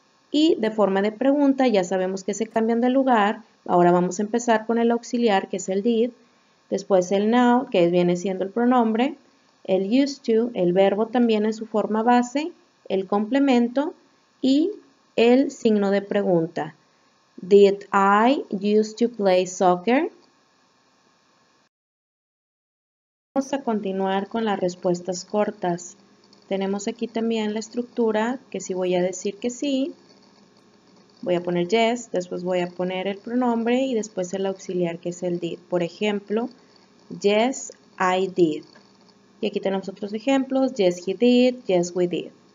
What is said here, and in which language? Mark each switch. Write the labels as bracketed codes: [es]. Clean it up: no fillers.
[es] Y de forma de pregunta, ya sabemos que se cambian de lugar, ahora vamos a empezar con el auxiliar, que es el did. Después el now, que viene siendo el pronombre, el used to, el verbo también en su forma base, el complemento y el signo de pregunta. [en] Did I used to play soccer? [es] Vamos a continuar con las respuestas cortas. Tenemos aquí también la estructura que si voy a decir que sí, voy a poner yes, después voy a poner el pronombre y después el auxiliar que es el did. Por ejemplo, [en] yes, I did. [es] Y aquí tenemos otros ejemplos. [en] Yes, he did. Yes, we did.